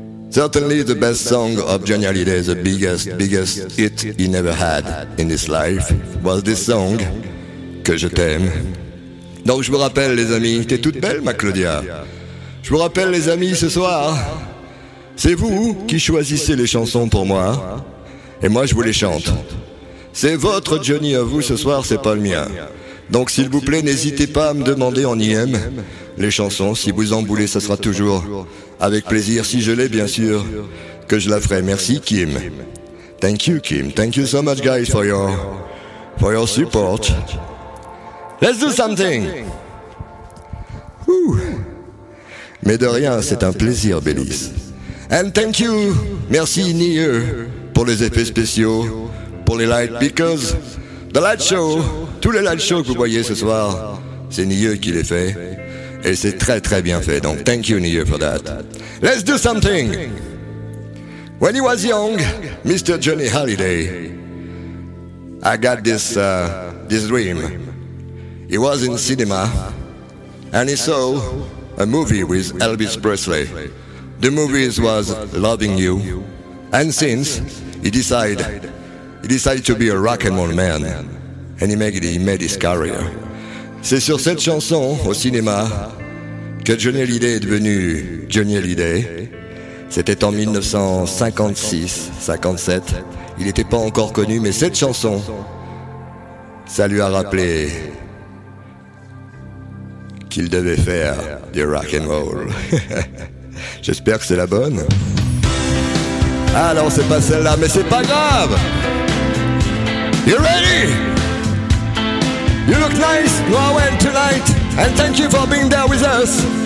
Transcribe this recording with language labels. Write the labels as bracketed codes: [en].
[en] Certainly the best song of Johnny Hallyday, the biggest, biggest hit he never had in his life was this song, Que je t'aime. [fr] Donc je me rappelle les amis, t'es toute belle ma Claudia. Je me rappelle les amis ce soir, C'est vous qui choisissez les chansons pour moi. Et moi je vous les chante. C'est votre Johnny à vous ce soir, c'est pas le mien. Donc s'il vous plaît, n'hésitez pas à me demander en IM les chansons. Si vous en voulez, ça sera toujours avec plaisir. Si je l'ai, bien sûr, que je la ferai. Merci Kim. [en] Thank you Kim. Thank you so much guys for your support. Let's do something. [fr] Mais de rien, c'est un plaisir, Bélis. [en] And thank you, [fr] merci Nier, pour les effets spéciaux, pour les lights, [en] because the light show, [fr] tous les light shows que vous voyez ce soir, c'est Nier qui les fait, et c'est très très bien fait, donc [en] thank you Nier for that. Let's do something. When he was young, Mr. Johnny Hallyday, I got this dream. He was in cinema, and he saw a movie with Elvis Presley. The movie was Loving You. And since, he decided to be a rock and roll man. And he made his career. [fr] C'est sur cette chanson, au cinéma, que Johnny Hallyday est devenu Johnny Hallyday. C'était en 1956-57. Il n'était pas encore connu, mais cette chanson, ça lui a rappelé qu'il devait faire du rock and roll. J'espère que c'est la bonne. Ah non, c'est pas celle-là, mais c'est pas grave. [en] You ready? You look nice, Norwen, tonight. And thank you for being there with us.